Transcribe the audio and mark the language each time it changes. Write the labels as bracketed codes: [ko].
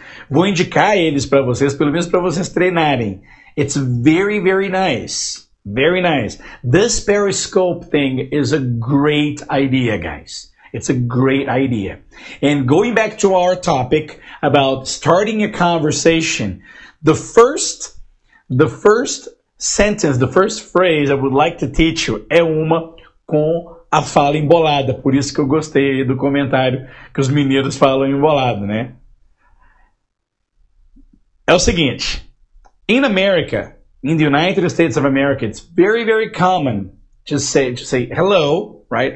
[pt] Vou indicar eles para vocês, pelo menos para vocês treinarem. [en] It's very, very nice. Very nice. This Periscope thing is a great idea, guys. It's a great idea. And going back to our topic about starting a conversation, the first sentence, the first phrase I would like to teach you [pt] é uma com a fala embolada, por isso que eu gostei do comentário que os mineiros falam embolado, né? É o seguinte: [en] In America, in the United States of America, it's very, very common to say hello, right?